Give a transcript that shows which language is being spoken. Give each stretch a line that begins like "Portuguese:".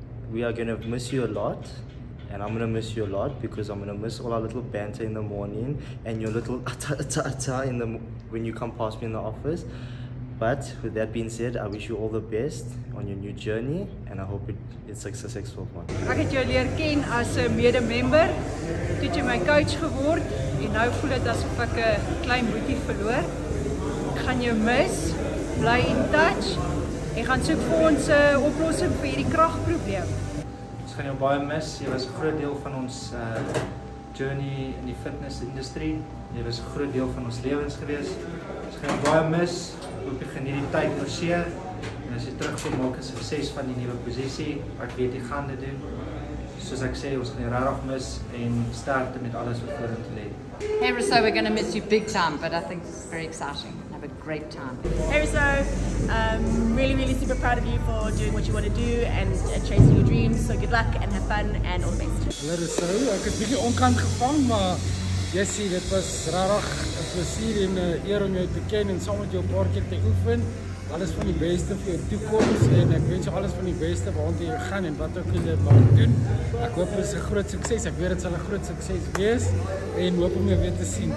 English: We are going to miss you a lot. And I'm going to miss you a lot because I'm going to miss all our little banter in the morning and your little atta-atta-atta when you come past me in the office. But with that being said, I wish you all the best on your new journey and I hope it's a successful one.
Afrikaans: Ek het jou leer ken as 'n mede-member, toe jy my coach geword en nou voel dit asof ek 'n klein boetie verloor. Ek gaan jou mis, bly in touch en gaan soek vir ons 'n oplossing vir hierdie kragprobleem. Ons gaan jou baie mis. Jy was 'n groot deel van ons journey in die fitness industrie. Jy was 'n groot deel van ons lewens gewees. Ons gaan jou baie mis. Hoop jy geniet die tyd oor see. En as jy terugkom, maak 'n sukses van die nuwe posisie. Ek weet jy gaan dit doen. Soos ek sê, ons gaan jou regtig mis en sterkte met alles wat vorentoe lê.
English: Hey Rousseau, we're going to miss you big time, but I think it's very exciting. Have a great time. Hey Rousseau, really, really super proud of you for doing what you want to do and chasing your dreams. So good luck and have fun and all the best.
Afrikaans: Hello Rousseau, ek het bietjie onkant gevang, maar Jesse, dit was regtig 'n plesier en 'n eer om jou te ken en saam met jou 'n paar keer te oefen. Alles van die beste vir jou toekoms en ek wens jou alles van die beste waartoe jy gaan en wat ook al jy mag doen. Ek hoop dit is 'n groot sukses. Ek weet dit sal 'n groot sukses wees en hoop om jou weer te sien.